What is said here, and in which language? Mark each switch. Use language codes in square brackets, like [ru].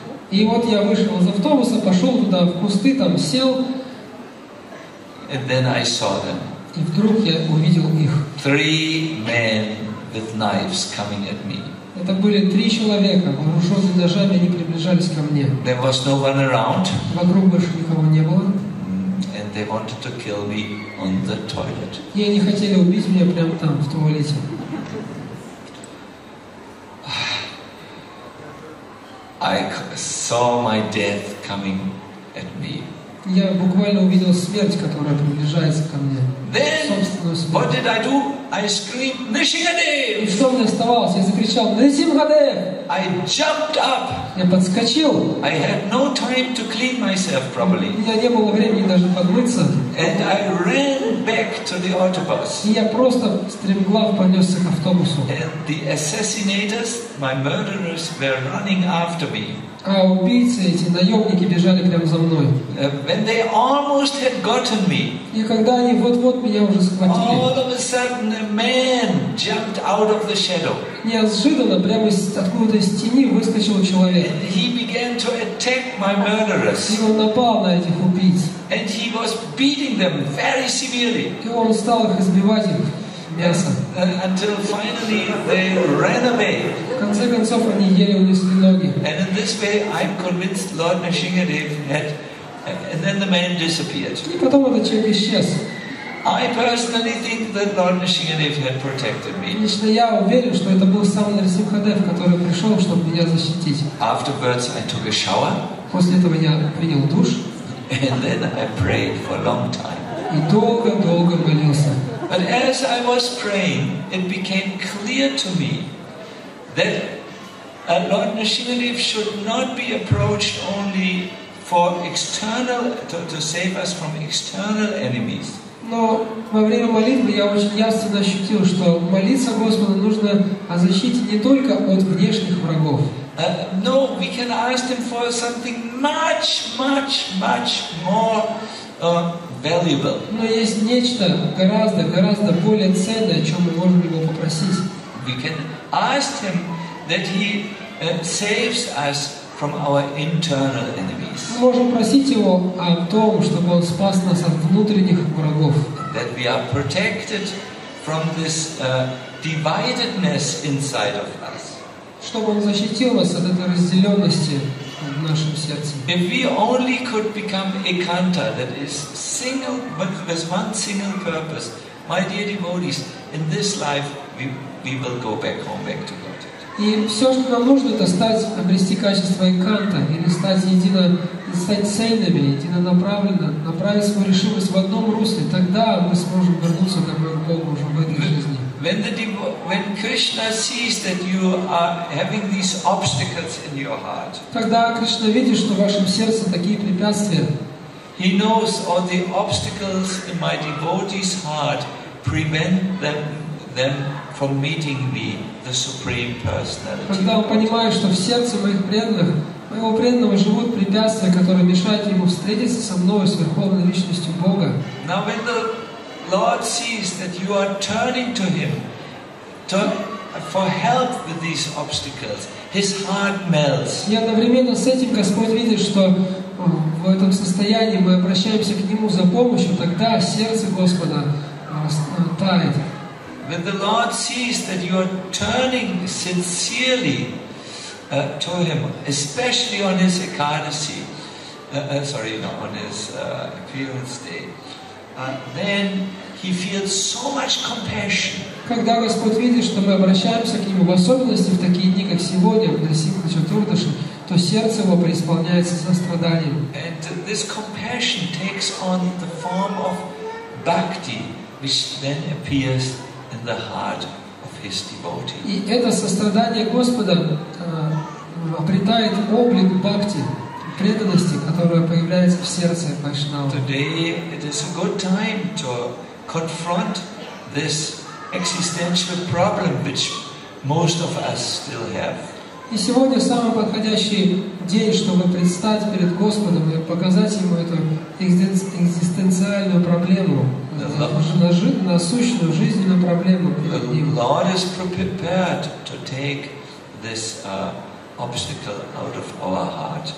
[ru] И вот я вышел из автобуса, пошел туда в кусты, там сел. [en] And then I saw them. [ru] И вдруг я увидел их. [en] Three men with knives coming at me. [ru] Это были три человека, вооруженные ножами, они приближались ко мне. [en] There was no one around. [ru] Вокруг больше никого не было. [en] And they wanted to kill me on the toilet. [ru] И они хотели убить меня прямо там, в туалете. [en] I saw my death coming at me. [ru] Я буквально увидел смерть, которая приближается ко мне. [en] Then, [ru] собственную смерть. [en] What did I do? I screamed, Нисингхадев! [ru] И что мне оставалось? Я закричал, Нисингхадев! [en] I jumped up. [ru] Я подскочил. [en] I had no time to clean myself properly. [ru] У меня не было времени даже подмыться. [en] And I ran back to the autobus. [ru] И я просто стремглав понесся к автобусу. [en] And the assassinators, my murderers, were running after me. [ru] А убийцы эти, наемники бежали прямо за мной. [en] When they almost had gotten me. [ru] И когда они вот-вот меня уже схватили. [en] All of a sudden, a man jumped out of the shadow. [ru] Неожиданно, прямо из откуда-то из тени выскочил человек. [en] And he began to attack my murderers. [ru] И он напал на этих убийц. [en] And he was beating them very severely. [ru] И он стал их избивать их мясом. [en] Until finally they ran away. [ru] В конце концов они еле унесли ноги. [en] And in this way, I'm convinced Lord Nisingadev had, and then the man disappeared. [ru] И потом этот человек исчез. [en] I personally think that Lord Nisingadev had protected me. [ru] Лично я уверен, что это был сам Нарасимхадев, который пришел, чтобы меня защитить. [en] Afterwards, I took a shower. [ru] После этого я принял душ. [en] And then I prayed for a long time. [ru] И долго-долго молился. [en] But as I was praying, it became clear to me that Lord Nisingadev should not be approached only for external to save us from external enemies. [ru] Но во время молитвы я очень ясно ощутил, что молиться Господу нужно о защите не только от внешних врагов. [en] No, we can ask Him for something much, much, much more valuable. [ru] Но есть нечто гораздо, гораздо более ценное, о чем мы можем Его попросить. [en] We can ask Him that He saves us from our internal enemies. [ru] Мы можем просить Его о том, чтобы Он спас нас от внутренних врагов. [en] That we are protected from this dividedness inside of us. [ru] Чтобы Он защитил нас от этой разделенности в нашем сердце. [en] If we only could become Ekanta, that is single, but with one single purpose, my dear devotees, in this life we will go back home, back to God. [ru] И все, что нам нужно, это стать, обрести качество Эканта, или стать цельными, единонаправленно, направить свою решимость в одном русле, тогда мы сможем вернуться как бы к Богу уже в этой жизни. [en] When Krishna sees that you are having these obstacles in your heart, [ru] когда Кришна видит, что в вашем сердце такие препятствия, [en] He knows all the obstacles in my devotee's heart prevent them from meeting me, the Supreme Personality. [ru] Когда он понимает, что в сердце моих преданных, моего преданного живут препятствия, которые мешают ему встретиться со мной, с Верховной Личностью Бога. [en] Now when the Lord sees that you are turning to Him for help with these obstacles, His heart melts. [ru] И одновременно с этим Господь видит, что в этом состоянии мы обращаемся к Нему за помощью, тогда сердце Господа тает. [en] When the Lord sees that you are turning sincerely to Him, especially on His Ekadasi, appearance day, then He feels so much compassion. [ru] Когда Господь видит, что мы обращаемся к Нему, в особенности в такие дни, как сегодня, в Нарасимха Чатурдаши, то сердце Его преисполняется состраданием. [en] And this compassion takes on the form of bhakti, which then appears in the heart of His devotee. [ru] И это сострадание Господа обретает облик бхакти, преданности, которая появляется в сердце вайшнава. [en] Today it is a good time to confront this existential problem which most of us still have. [ru] И сегодня самый подходящий день, чтобы предстать перед Господом и показать Ему эту экзистенциальную проблему. Насущную жизненную проблему. [en] Lord is prepared to take this obstacle out of our heart.